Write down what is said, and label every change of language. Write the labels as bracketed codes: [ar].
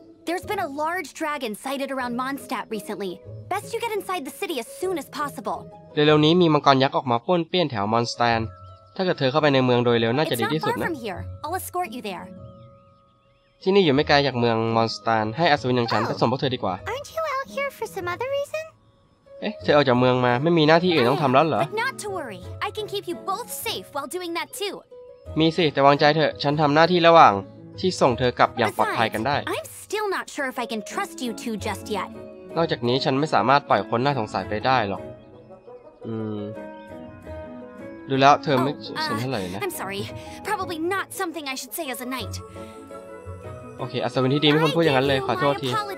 [en] There's been a large dragon sighted around Mondstadt recently. Best you get inside the city as soon as possible. [th] เร็วๆนี้มีมังกรยักษ์ออกมาป้วนเปี้ยนแถวมอนสแตนถ้าเกิดเธอเข้าไปในเมืองโดยเร็วน่าจะดีที่สุดนะ [en] It's not far from here. I'll escort you there. [th] ที่นี่อยู่ไม่ไกลจากเมืองมอนสแตนให้อัศวินอย่างฉันไปส่งพวกเธอดีกว่า [en] Aren't you out here for some other reason? [th] เอ๊ะเธอออกจากเมืองมาไม่มีหน้าที่อื่นต้องทำแล้วเหรอ [en] But not to worry. I can keep you both safe while doing that too. [th] มีสิแต่วางใจเถอะฉันทำหน้าที่ระหว่างที่ส่งเธอกลับอย่างปลอดภัยกันได้ [en] I'm still not sure if I can trust you two just yet [th] นอกจากนี้ฉันไม่สามารถปล่อยคนน่าสงสัยไปได้หรอกดูแล้วเธอไม่สนใจเลยนะ [en] I'm sorry probably not something I should say as a knight [th] โอเคอัศวินที่ดีไม่ควรพูดอย่างนั้นเลยขอโทษที